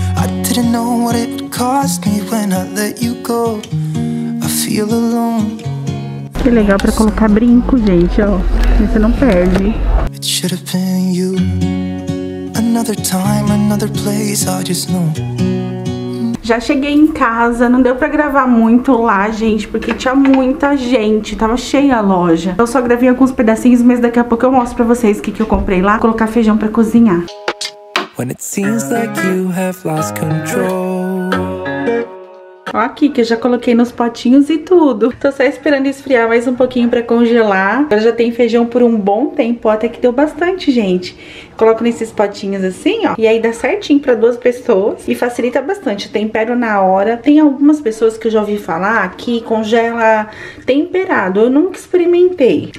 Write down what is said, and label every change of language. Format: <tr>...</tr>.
<en>I didn't know what it would cost me when I let you go. I feel alone.</en> <pt>Que legal pra colocar brinco, gente, ó. Você não perde.</pt> <en>It should have been you. Another time, another place, I just know.</en> <pt>Já cheguei em casa, não deu pra gravar muito lá, gente, porque tinha muita gente, tava cheia a loja. Eu só gravei alguns pedacinhos, mas daqui a pouco eu mostro pra vocês o que, que eu comprei lá. Vou colocar feijão pra cozinhar.</pt> <en>When it seems like you have lost control.</en> <pt>Ó, aqui que eu já coloquei nos potinhos e tudo. Tô só esperando esfriar mais um pouquinho pra congelar. Agora já tem feijão por um bom tempo, até que deu bastante, gente. Coloco nesses potinhos assim, ó. E aí dá certinho pra duas pessoas e facilita bastante. Eu tempero na hora. Tem algumas pessoas que eu já ouvi falar que congela temperado. Eu nunca experimentei.</pt>